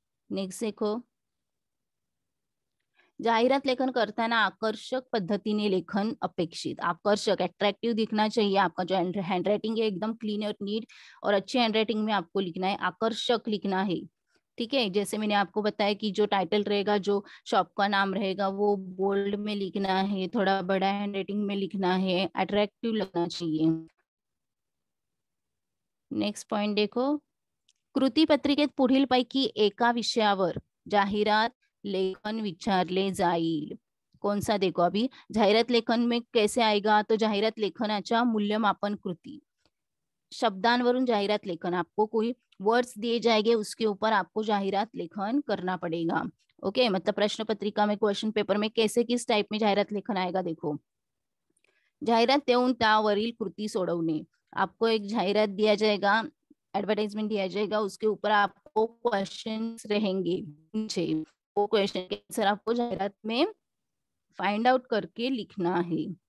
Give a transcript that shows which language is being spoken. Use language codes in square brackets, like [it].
[hi] Next देखो, [mr] जाहिरात लेखन करता ना आकर्षक पद्धति ने लेखन अपेक्षित, [hi] आकर्षक अट्रैक्टिव दिखना चाहिए आपका जो हैंड राइटिंग है, एकदम क्लीन और नीट और अच्छे हैंड राइटिंग में आपको लिखना है, आकर्षक लिखना है, ठीक है। जैसे मैंने आपको बताया कि जो टाइटल रहेगा, जो शॉप का नाम रहेगा, वो बोल्ड में लिखना है, थोड़ा बड़ा हैंड राइटिंग में लिखना है, अट्रैक्टिव लगना चाहिए। [mr] नेक्स्ट पॉइंट देखो, कृति पत्रिकेत पुढील पैकी एका विषयावर जाहिरात लेखन विचारले जाईल, [hi] कौन सा? देखो अभी जाहिरात लेखन में कैसे आएगा, तो [mr] जाहिरात लेखनाच्या मूल्यमापन कृती, शब्दांवरून जाहिरात लेखन, [hi] आपको कोई वर्ड्स दिए जाएंगे उसके ऊपर आपको जाहिरात लेखन करना पड़ेगा, ओके। मतलब प्रश्न पत्रिका में, क्वेश्चन पेपर में कैसे किस टाइप में जाहिरात लेखन आएगा, देखो [mr] जाहिरात देऊन त्यावरील कृती सोडवणे, [hi] आपको एक जाहिरात दिया जाएगा, एडवर्टाइजमेंट दिया जाएगा, उसके ऊपर आपको क्वेश्चन रहेंगे, वो क्वेश्चन के आंसर आपको जाहिरात में फाइंड आउट करके लिखना है।